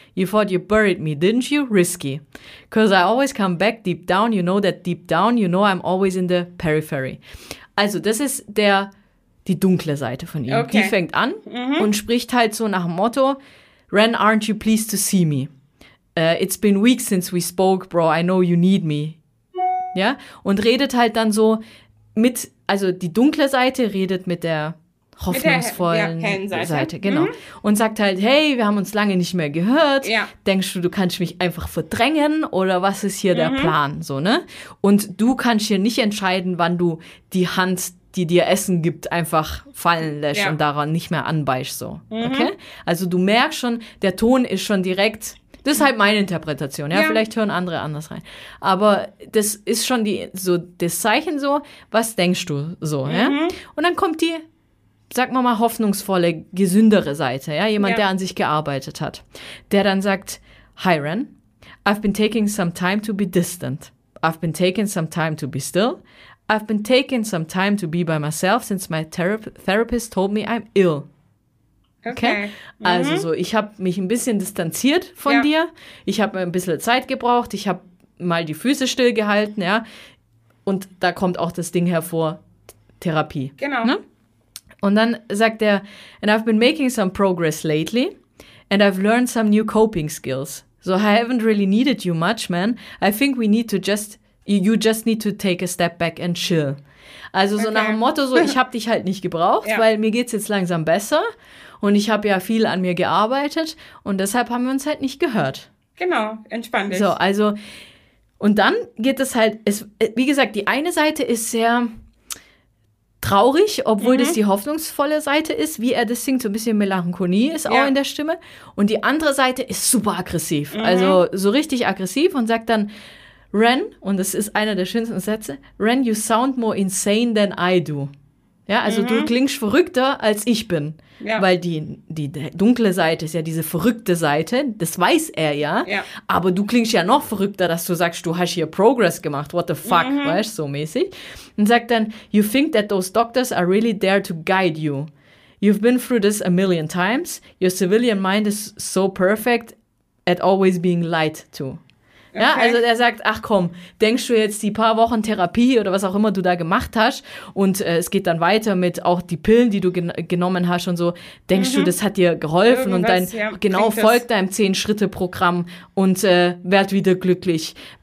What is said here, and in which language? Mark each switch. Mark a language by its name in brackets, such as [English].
[English] You thought you buried me, didn't you? Risky. 'Cause I always come back deep down. You know that deep down. You know I'm always in the periphery. [German] Also, das ist die dunkle Seite von ihm. Okay. Die fängt an und spricht halt so nach dem Motto, [English] Ren, aren't you pleased to see me? It's been weeks since we spoke, bro. I know you need me. [German] Ja? Und redet halt dann so mit, also die dunkle Seite redet mit der hoffnungsvollen Seite. Genau. Mhm. Und sagt halt, hey, wir haben uns lange nicht mehr gehört. Ja. Denkst du, du kannst mich einfach verdrängen? Oder was ist hier der Plan? So, ne? Und du kannst hier nicht entscheiden, wann du die Hand, die dir Essen gibt, einfach fallen lässt und daran nicht mehr anbeißt. So. Mhm. Okay? Also du merkst schon, der Ton ist schon direkt. Das ist halt meine Interpretation, ja, vielleicht hören andere anders rein. Aber das ist schon die, so das Zeichen so, was denkst du so, ja? Und dann kommt die, sag mal, hoffnungsvolle, gesündere Seite, ja, jemand, der an sich gearbeitet hat. Der dann sagt, [English] hi Ren, I've been taking some time to be distant. I've been taking some time to be still. I've been taking some time to be by myself since my therapist told me I'm ill. Okay. [German] Also so, ich habe mich ein bisschen distanziert von dir. Ich habe ein bisschen Zeit gebraucht. Ich habe mal die Füße stillgehalten, ja. Und da kommt auch das Ding hervor, Therapie. Genau. Ne? Und dann sagt er, [English] and I've been making some progress lately and I've learned some new coping skills. So I haven't really needed you much, man. I think we need to just, you just need to take a step back and chill. [German] Also so nach dem Motto, so ich habe dich halt nicht gebraucht, weil mir geht's jetzt langsam besser. Und ich habe ja viel an mir gearbeitet und deshalb haben wir uns halt nicht gehört. Genau, entspann dich. So, also, und dann geht es halt, es, wie gesagt, die eine Seite ist sehr traurig, obwohl das die hoffnungsvolle Seite ist, wie er das singt, so ein bisschen Melancholie ist auch in der Stimme. Und die andere Seite ist super aggressiv, also so richtig aggressiv und sagt dann, Ren, und das ist einer der schönsten Sätze, Ren, [English] you sound more insane than I do. [German] Ja, also du klingst verrückter, als ich bin. Ja. Weil die dunkle Seite ist ja diese verrückte Seite, das weiß er ja. Ja. Aber du klingst ja noch verrückter, dass du sagst, du hast hier Progress gemacht, [English] what the fuck, [German] weißt du, so mäßig. Und sagt dann, [English] you think that those doctors are really there to guide you. You've been through this a million times. Your civilian mind is so perfect at always being lied to. Okay. [German] Ja, also er sagt, ach komm, denkst du jetzt die paar Wochen Therapie oder was auch immer du da gemacht hast und es geht dann weiter mit auch die Pillen, die du genommen hast und so, denkst du, das hat dir geholfen irgendwas, und dein, genau, folgt deinem 10-Schritte-Programm und werd wieder glücklich.